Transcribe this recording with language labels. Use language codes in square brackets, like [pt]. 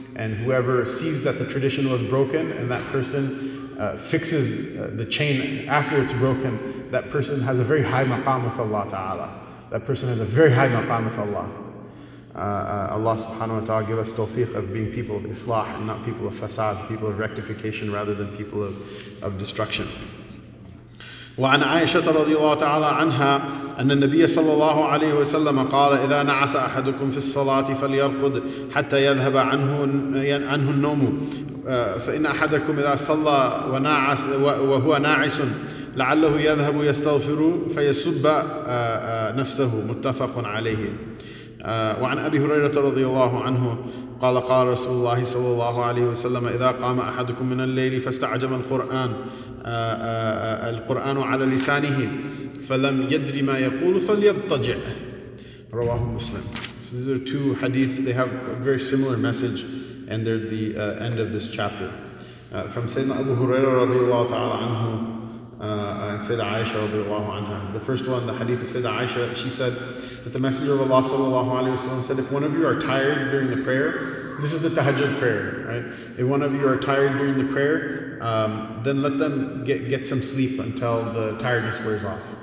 [en] And whoever sees that the tradition was broken, and that person fixes the chain after it's broken, that person has a very high maqam with Allah Ta'ala. That person has a very high maqam with Allah. Allah Subhanahu wa Ta'ala give us tawfiq of being people of islah and not people of fasad, people of rectification rather than people of destruction. [ar] وعن عائشة رضي الله تعالى عنها أن النبي صلى الله عليه وسلم قال إذا نعس أحدكم في الصلاة فليرقد حتى يذهب عنه النوم فإن أحدكم إذا صلى ونعس وهو ناعس لعله يذهب يستغفر فيسب نفسه متفق عليه وعن أبي هريرة رضي الله عنه قال قال رسول الله صلى الله عليه وسلم إذا قام أحدكم من الليل فاستعجم القرآن القرآن على لسانه فلم يدري ما يقول فليضطجع رواه مسلم. [en] So these are two hadith, they have a very similar message, and they're the end of this chapter. From Sayyidina Abu Huraira radiallahu ta'ala anhu and Sayyidina Aisha radiallahu anha. The first one, the hadith of Sayyidina Aisha, she said that the Messenger of Allah sallallahu alayhi wa sallam said, if one of you are tired during the prayer, this is the tahajjud prayer, right? If one of you are tired during the prayer, then let them get some sleep until the tiredness wears off.